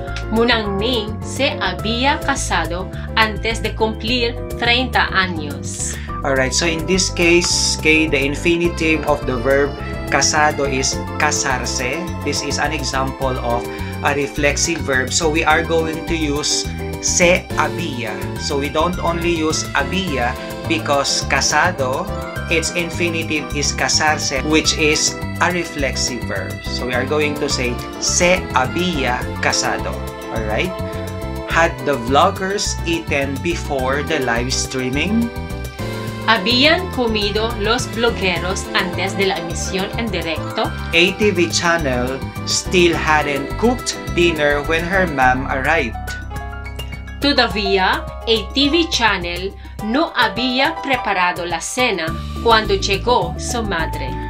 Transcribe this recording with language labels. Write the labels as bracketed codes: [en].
[es] Monangning se había casado antes de cumplir 30 años. [en] Alright, so in this case, okay, the infinitive of the verb casado is casarse. This is an example of a reflexive verb. So we are going to use se había. So we don't only use había because casado, its infinitive is casarse, which is a reflexive verb. So we are going to say [es] se había casado. [en] Alright? Had the vloggers eaten before the live streaming? [es] ¿Habían comido los blogueros antes de la emisión en directo? [en] ATV Channel still hadn't cooked dinner when her mom arrived. [es] Todavía ATV Channel no había preparado la cena cuando llegó su madre.